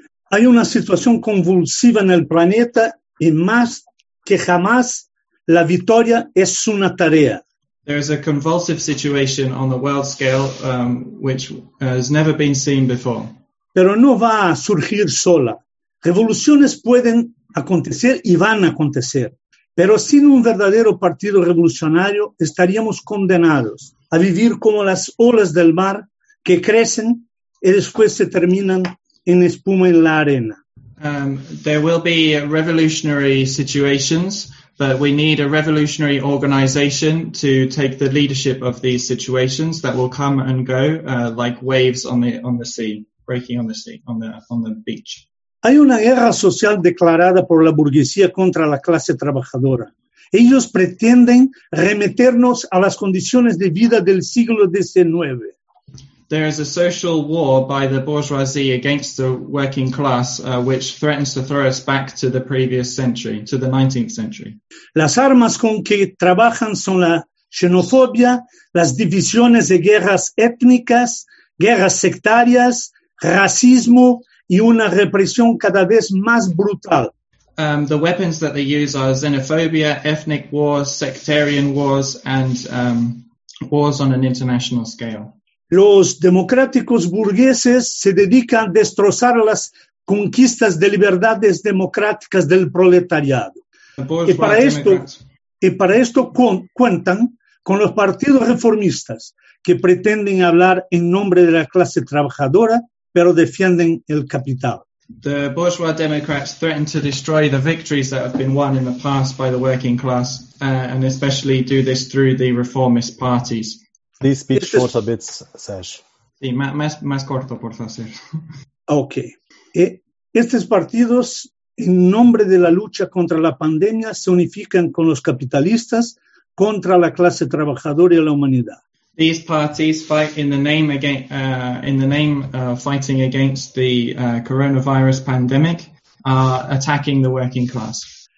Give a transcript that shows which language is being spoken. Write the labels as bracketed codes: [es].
[es] Hay una situación convulsiva en el planeta y más que jamás la victoria es una tarea. [en] There is a convulsive situation on the world scale which has never been seen before. [es] Pero no va a surgir sola. Revoluciones pueden acontecer y van a acontecer, pero sin un verdadero partido revolucionario estaríamos condenados a vivir como las olas del mar que crecen y después se terminan en espuma en la arena. [en] There will be revolutionary situations, but we need a revolutionary organization to take the leadership of these situations that will come and go like waves on the sea, breaking on the beach. [es] Hay una guerra social declarada por la burguesía contra la clase trabajadora. Ellos pretenden remeternos a las condiciones de vida del siglo XIX. [en] There is a social war by the bourgeoisie against the working class, which threatens to throw us back to the previous century, to the 19th century. [es] Las armas con que trabajan son la xenofobia, las divisiones de guerras étnicas, guerras sectarias, racismo y una represión cada vez más brutal. [en] The weapons that they use are xenophobia, ethnic wars, sectarian wars, and wars on an international scale. [es] Los democráticos burgueses se dedican a destrozar las conquistas de libertades democráticas del proletariado. Y para esto cuentan con los partidos reformistas que pretenden hablar en nombre de la clase trabajadora, pero defienden el capital. [en] The bourgeois democrats threaten to destroy the victories that have been won in the past by the working class, and especially do this through the reformist parties. Please speak short a bit, Serge. [es] Sí, más corto, por favor. [en] Okay. [es] Estos partidos, en nombre de la lucha contra la pandemia, se unifican con los capitalistas contra la clase trabajadora y la humanidad. [en] These parties fight fighting against the coronavirus pandemic, attacking the working class.